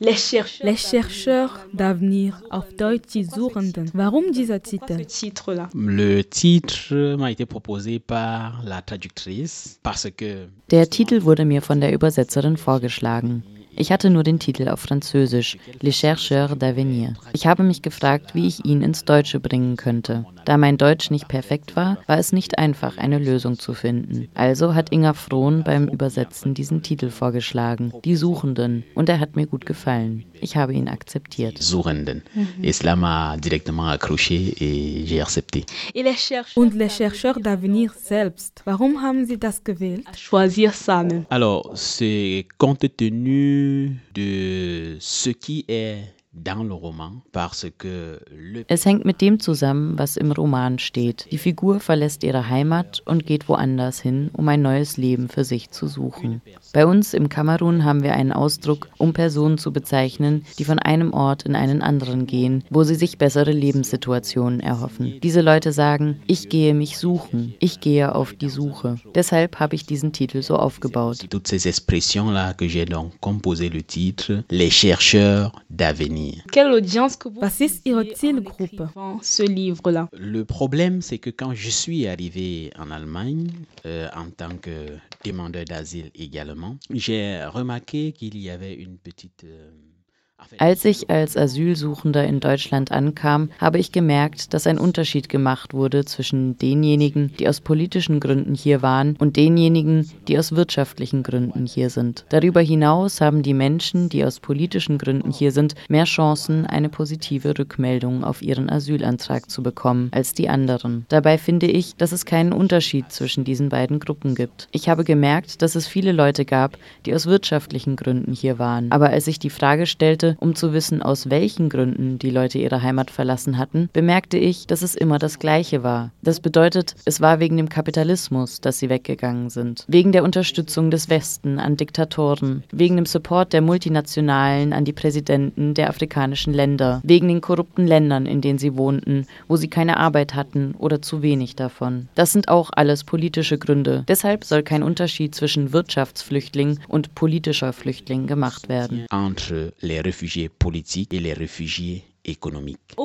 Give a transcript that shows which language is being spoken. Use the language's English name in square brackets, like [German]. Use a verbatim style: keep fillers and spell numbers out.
[German] Les chercheurs d'avenir auf Deutsch, die Suchenden. Warum dieser Titel? [French] Le Titel m'a été proposé par la traductrice parce que... [German] Der Titel wurde mir von der Übersetzerin vorgeschlagen. Ich hatte nur den Titel auf Französisch, Les Chercheurs d'Avenir. Ich habe mich gefragt, wie ich ihn ins Deutsche bringen könnte. Da mein Deutsch nicht perfekt war, war es nicht einfach, eine Lösung zu finden. Also hat Inga Frohn beim Übersetzen diesen Titel vorgeschlagen, Die Suchenden, und er hat mir gut gefallen. Ich habe ihn akzeptiert. Suchenden. Mhm. [French] Et cela m'a directement accroché et j'ai accepté. [German] Und Les Chercheurs d'Avenir selbst, warum haben Sie das gewählt? [French] Choisir ça même. Alors, c'est compte tenu de ce qui est dans le roman, parce que le... [German] Es hängt mit dem zusammen, was im Roman steht. Die Figur verlässt ihre Heimat und geht woanders hin, um ein neues Leben für sich zu suchen. Bei uns im Kamerun haben wir einen Ausdruck, um Personen zu bezeichnen, die von einem Ort in einen anderen gehen, wo sie sich bessere Lebenssituationen erhoffen. Diese Leute sagen, ich gehe mich suchen, ich gehe auf die Suche. Deshalb habe ich diesen Titel so aufgebaut. [French] Toutes ces expressions là que j'ai donc composé le titre, les chercheurs d'avenir. [German] Was ist Ihre Zielgruppe? [French] Le problème, c'est que quand je suis arrivé en Allemagne, euh, en tant que demandeur d'asile également, j'ai remarqué qu'il y avait une petite... Euh [German] Als ich als Asylsuchender in Deutschland ankam, habe ich gemerkt, dass ein Unterschied gemacht wurde zwischen denjenigen, die aus politischen Gründen hier waren, und denjenigen, die aus wirtschaftlichen Gründen hier sind. Darüber hinaus haben die Menschen, die aus politischen Gründen hier sind, mehr Chancen, eine positive Rückmeldung auf ihren Asylantrag zu bekommen, als die anderen. Dabei finde ich, dass es keinen Unterschied zwischen diesen beiden Gruppen gibt. Ich habe gemerkt, dass es viele Leute gab, die aus wirtschaftlichen Gründen hier waren. Aber als ich die Frage stellte, um zu wissen, aus welchen Gründen die Leute ihre Heimat verlassen hatten, bemerkte ich, dass es immer das Gleiche war. Das bedeutet, es war wegen dem Kapitalismus, dass sie weggegangen sind, wegen der Unterstützung des Westen an Diktatoren, wegen dem Support der Multinationalen an die Präsidenten der afrikanischen Länder, wegen den korrupten Ländern, in denen sie wohnten, wo sie keine Arbeit hatten oder zu wenig davon. Das sind auch alles politische Gründe. Deshalb soll kein Unterschied zwischen Wirtschaftsflüchtling und politischer Flüchtling gemacht werden. [French] Entre les réfugiés politiques et les réfugiés économiques.